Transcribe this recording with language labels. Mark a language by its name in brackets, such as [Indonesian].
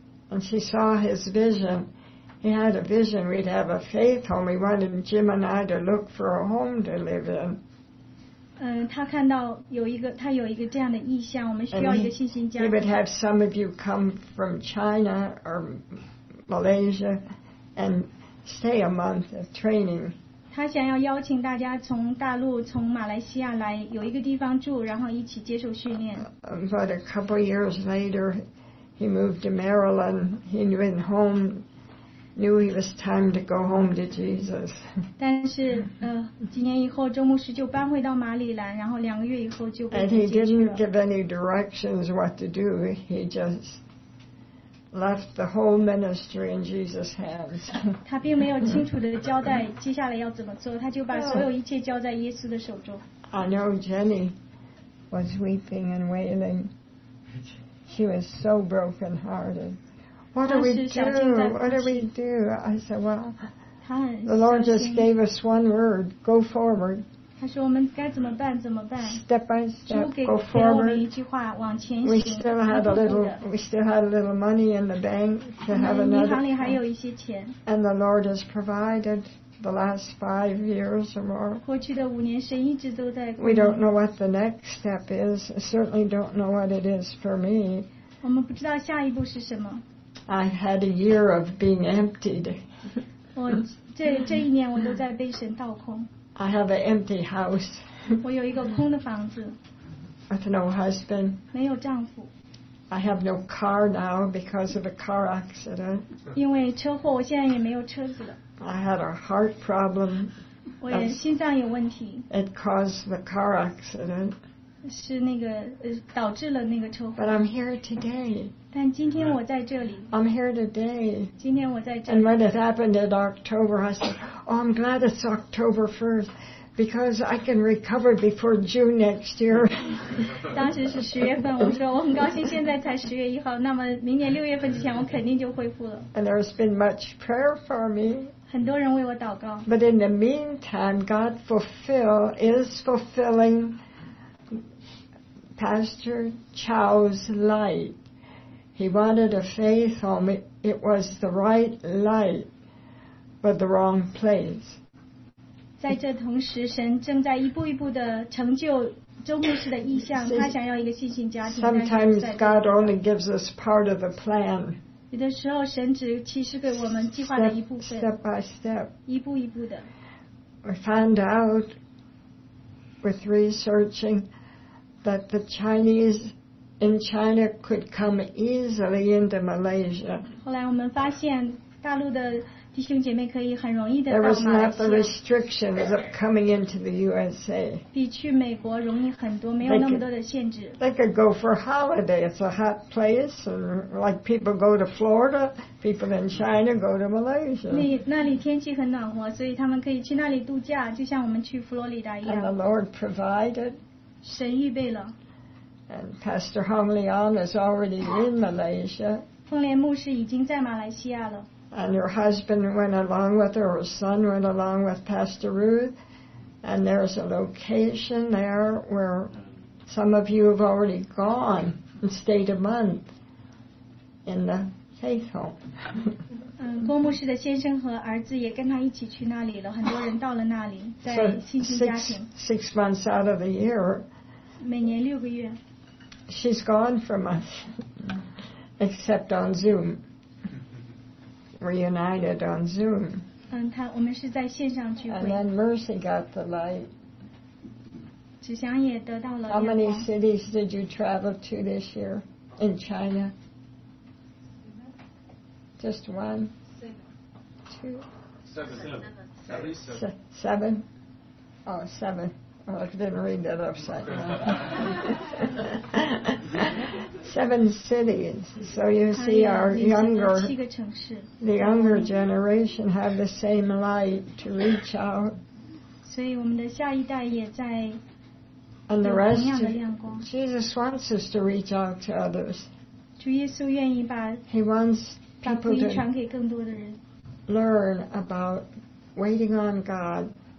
[English] And she saw his vision. He had a vision we'd have a faith home. He wanted Jim and I to look for a home to live in. [Chinese] 他看到有一个，他有一个这样的意向，我们需要一个信心家。 [English] He would have some of you come from China or Malaysia and stay a month of training. [Chinese] 他想要邀请大家从大陆，从马来西亚来有一个地方住，然后一起接受训练。 [English] But a couple years later, he moved to Maryland. He went home, knew it was time to go home to Jesus. [Chinese] 但是几年以后，周牧师就搬回到马里兰，然后两个月以后就被接受了。 [English] And he didn't give any directions what to do. He just left the whole ministry in Jesus' hands. [Chinese] 他并没有清楚地交代接下来要怎么做，他就把所有一切交在耶稣的手中。 [English] I know Jenny was weeping and wailing. She was so brokenhearted. What do we do? What do we do? I said, well, the Lord just gave us one word, go forward. [Chinese] 他说我们该怎么办？怎么办？ [English] Step by step, go forward. [Chinese] 一句话，往前行。 [English] We still had a little money in the bank to have another. [Chinese] 银行里还有一些钱。 [English] And the Lord has provided the last 5 years or more. [Chinese] 过去的五年，神一直都在。 [English] We don't know what the next step is. Certainly don't know what it is for me. [Chinese] 我们不知道下一步是什么。 [English] I had a year of being emptied. [Chinese] 我这一年我都在被神倒空。 [English] I have an empty house. [Chinese] 我有一个空的房子。 [English] With no husband. [Chinese] 没有丈夫。 [English] I have no car now because of a car accident. [Chinese] 因为车祸，我现在也没有车子了。 [English] I had a heart problem. [Chinese] 我也心脏有问题。 [English] It caused the car accident. [Chinese] 是那个导致了那个车祸。 [English] But I'm here today. [Chinese] 但今天我在这里。 [English] I'm here today. [Chinese] 今天我在这里。 [English] And when it happened in October, I said, "Oh, I'm glad it's October 1st." Because I can recover before June next year. [Chinese] 当时是十月份，我说我很高兴现在才十月一号，那么明年六月份之前我肯定就恢复了。 [English] And there's been much prayer for me. [Chinese] 很多人为我祷告。 [English] But in the meantime, God is fulfilling Pastor Chow's light. He wanted a faith home. It was the right light, but the wrong place. [Chinese] 在这同时，神正在一步一步地成就周牧师的意向。他想要一个信心家庭。 [English] Sometimes God only gives us part of the plan. [Chinese] 有的时候，神只启示给我们计划的一部分。 [English] Step by step. [Chinese] 一步一步的。 [English] We found out with researching that the Chinese in China could come easily into Malaysia. [Chinese] 后来我们发现大陆的弟兄姐妹可以很容易的到马来西亚。 [English] There was not the restrictions of coming into the USA. [Chinese] 比去美国容易很多，没有那么多的限制。 [English] They could go for holiday. It's a hot place, and like people go to Florida, people in China go to Malaysia. [Chinese] 那里天气很暖和，所以他们可以去那里度假，就像我们去佛罗里达一样。 [English] And the Lord provided. [Chinese] 神预备了。 [English] And Pastor Hong Leong is already in Malaysia. [Chinese] 凤莲牧师已经在马来西亚了。 [English] And her husband went along with her, her son went along with Pastor Ruth. And there's a location there where some of you have already gone and stayed a month in the faith home. [Chinese] 郭牧师的先生和儿子也跟他一起去那里了，很多人到了那里，在新兴家庭。 [English] So six months out of the year. [Chinese] 每年六个月。 [English] She's gone from us, except on Zoom. Reunited on Zoom. [Chinese] 我们是在线上聚会。 [English] And then Mercy got the light. [Chinese] 芷翔也得到了。 [English] How many cities did you travel to this year in China? Just one? Seven. Two? Seven. Seven? Oh, seven. Oh, I didn't read that upside down. Seven cities. So you see, our younger generation have the same light to reach out. [Chinese] 所以我们的下一代也在 [English] And the rest, Jesus wants us to reach out to others. He wants people to learn about waiting on God.